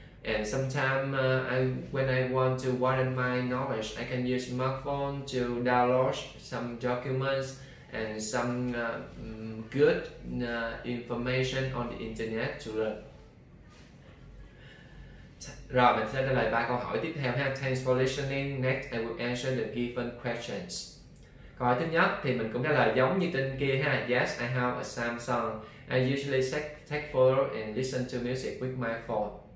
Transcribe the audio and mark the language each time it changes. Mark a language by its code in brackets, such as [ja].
[en] And sometimes when I want to widen my knowledge, I can use smartphone to download some documents and some good information on the internet to learn. [vi] Rồi mình sẽ trả lời ba câu hỏi tiếp theo ha. [en] Thanks for listening. Next, I will answer the given questions. [vi] Câu hỏi thứ nhất thì mình cũng trả lời giống như tên kia ha. [en] Yes, I have a Samsung. I usually take photo and listen to music with my phone.